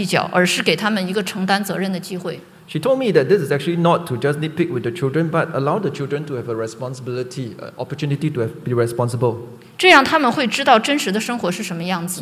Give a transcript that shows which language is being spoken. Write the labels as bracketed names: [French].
[Chinese] 她告诉我，这个不是和孩子计较，而是给他们一个承担责任的机会。 [English] She told me that this is actually not to just nitpick with the children, but allow the children to have a responsibility, opportunity to be responsible. [Chinese] 这样他们会知道真实的生活是什么样子。